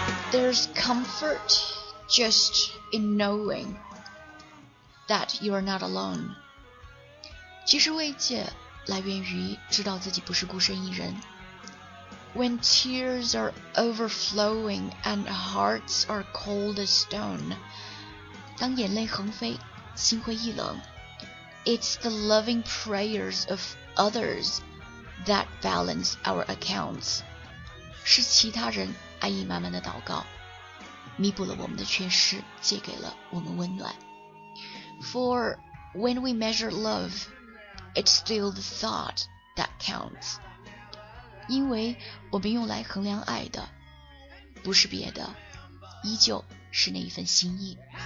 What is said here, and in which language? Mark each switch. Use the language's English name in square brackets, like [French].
[English] There's comfort just in knowing that you are not alone. [Chinese] 其实慰藉来源于知道自己不是孤身一人。 [English] When tears are overflowing and hearts are cold as stone, [Chinese] 当眼泪横飞，心灰意冷， [English] it's the loving prayers of others that balance our accounts. [Chinese] 是其他人爱意满满的祷告，弥补了我们的缺失，借给了我们温暖。 [English] For when we measure love, it's still the thought that counts. [Chinese] 因为我们用来衡量爱的，不是别的，依旧是那一份心意。